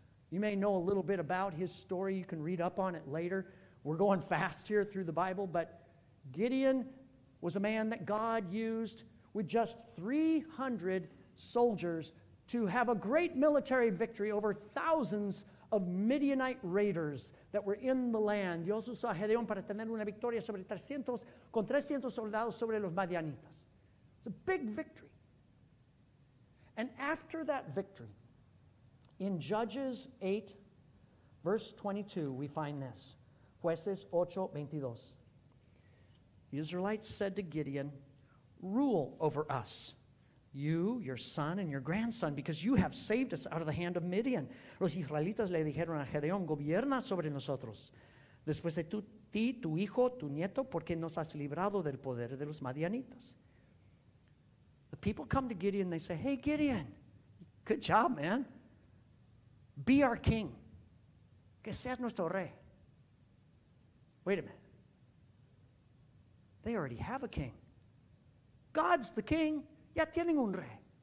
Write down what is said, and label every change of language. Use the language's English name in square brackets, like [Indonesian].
[English] You may know a little bit about his story. You can read up on it later. We're going fast here through the Bible, but Gideon was a man that God used with just 300 soldiers to have a great military victory over thousands of Midianite raiders that were in the land. [Spanish] Dios usó a Gedeón para tener una victoria sobre 300, con 300 soldados sobre los Madianitas. [English] It's a big victory. And after that victory, in Judges 8, verse 22, we find this. [Spanish] Jueces 8, 22. [English] The Israelites said to Gideon, rule over us, you, your son, and your grandson, because you have saved us out of the hand of Midian. [Spanish] Los israelitas le dijeron a Gedeón, gobierna sobre nosotros. Después de ti, tu hijo, tu nieto, porque nos has librado del poder de los Madianitas. [English] The people come to Gideon, they say, hey, Gideon, good job, man. Be our king. [Spanish] Que seas nuestro rey. [English] Wait a minute. They already have a king. God's the king. [Spanish] Ya tienen un rey.